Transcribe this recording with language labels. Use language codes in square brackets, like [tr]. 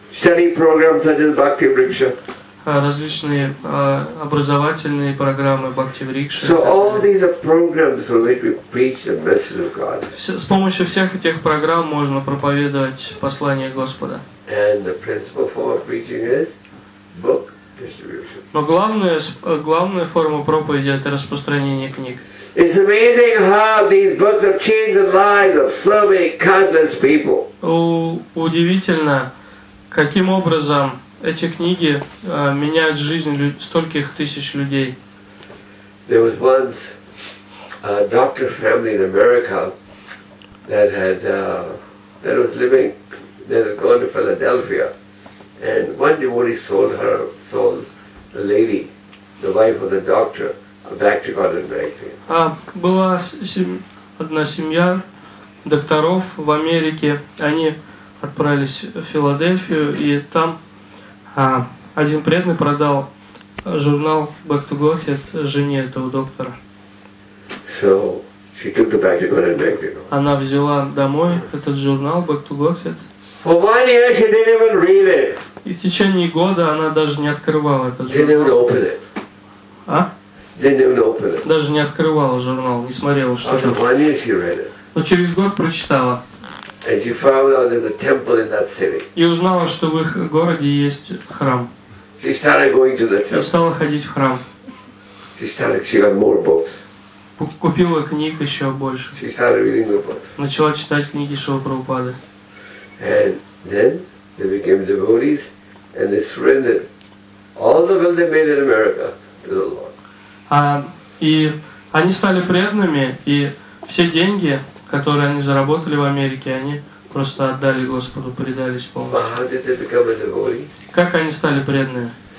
[en] Study programs such as Bhakti Vriksha. [ru] Различные образовательные программы Бхакти-врикши. [en] So all these are programs so that we preach the message of God. [ru] С помощью всех этих программ можно проповедовать послание Господа. [en] And the principal form of preaching is book distribution. [ru] Но главная форма проповеди это распространение книг. [en] It's amazing how these books have changed the lives of so many countless people. [ru] Удивительно, каким образом эти книги меняют жизнь стольких тысяч людей. [en] There was once a doctor family in America that had gone to Philadelphia, and one devotee sold the lady, the wife of the doctor, back to God in America. [ru] Была одна семья докторов в Америке. Они отправились в Филадельфию, и там один преданный продал журнал Back to Gohit жене этого доктора. [en] So she took the Back to Gohit magazine. [ru] Она взяла домой этот журнал Back to Gohit. [en] For 1 year she didn't even read it. [ru] И в течение года она даже не открывала этот журнал. [en] Didn't even open it. А? Didn't even open it. [ru] Даже не открывала журнал, не смотрела, что там. [en] After 1 year she read it. [ru] Но через год прочитала. [en] And she found out there's a temple in that city. [ru] И узнала, что в их городе есть храм. [en] She started going to the temple. [ru] И стала ходить в храм. [en] She got more books. [ru] Купила книг еще больше. [en] She started reading the books. [ru] Начала читать книги Шрила Прабхупады. [en] And then they became devotees and they surrendered all the wealth they made in America to the Lord. [ru] И они стали преданными, и все деньги, которые они заработали в Америке, они просто отдали Господу, предались полностью. Как они стали преданными?